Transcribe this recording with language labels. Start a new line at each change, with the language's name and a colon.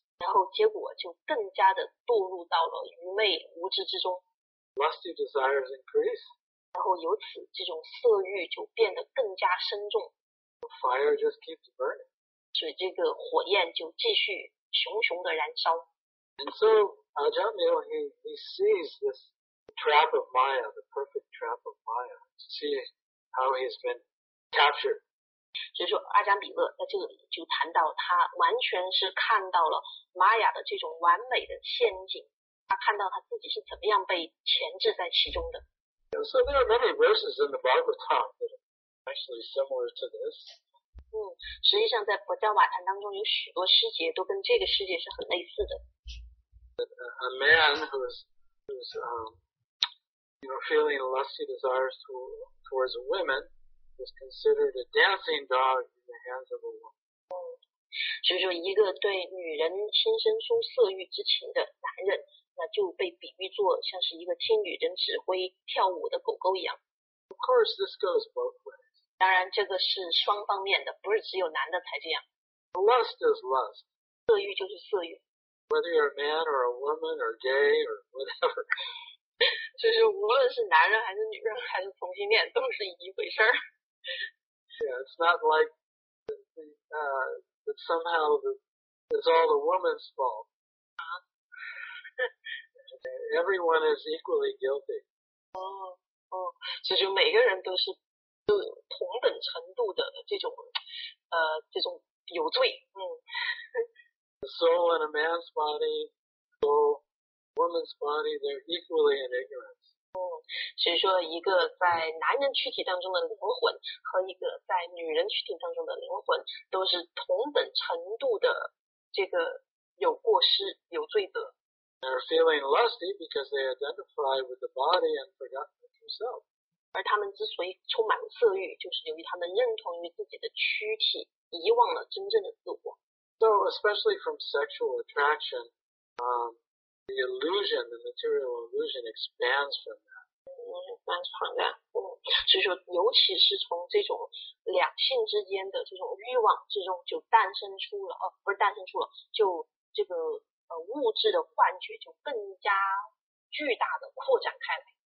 Chinese: 然后结果就更加的堕入到了愚昧无知之中。
English: Lusty desires increase.
Chinese: 然后由此这种色欲就变得更加深重。
English: The fire just keeps burning.
Chinese: 所以这个火焰就继续熊熊的燃烧。
English: And so, Ajamil, he sees this trap of Maya, the perfect trap of Maya, to see how he's been captured.
Chinese: 所以说阿加米勒在这里就谈到他完全是看到了玛雅的这种完美的陷阱，他看到他自己是怎么样被钳制在其中的。
English: So there are many verses in the Bhagavatam that are actually similar to this.
Chinese: 实际上在佛教瓦坛当中有许多诗节都跟这个诗节是很类似的。
English: A man who's you know, feeling lusty desires towards a woman was considered a dancing dog in the hands of a woman.
Chinese: 所以说一个对女人心生出色欲之情的男人，那就被比喻作像是一个听女人指挥跳舞的狗狗一样。
English: Of course, this goes both ways.
Chinese: 当然这个是双方面的，不是只有男的才这样。
English: Lust is lust.
Chinese: 色欲就是色欲。
English: Whether you're a man or a woman or gay or whatever.
Chinese: 就是无论是男人还是女人还是同性恋都是一回事儿。
English: Yeah, it's not like that somehow it's all the woman's fault. Everyone is equally guilty.
Chinese: 所以就每个人都是就同等程度的这种有罪。
English: The soul in a man's body, soul woman's body, they're equally in ignorance.
Chinese: 所以说一个在男人躯体当中的灵魂和一个在女人躯体当中的灵魂都是同等程度的这个有过失有罪得。
English: They're feeling lusty because they identify with the body and forgot themselves.
Chinese: 而他们之所以充满色欲，就是由于他们认同于自己的躯体，遗忘了真正的自我。
English: So especially from sexual attraction, the illusion, the material illusion expands from that.
Chinese: 所以说，尤其是从这种两性之间的这种欲望之中，就诞生出了，不是诞生出了，就这个物质的幻觉就更加巨大的扩展开来。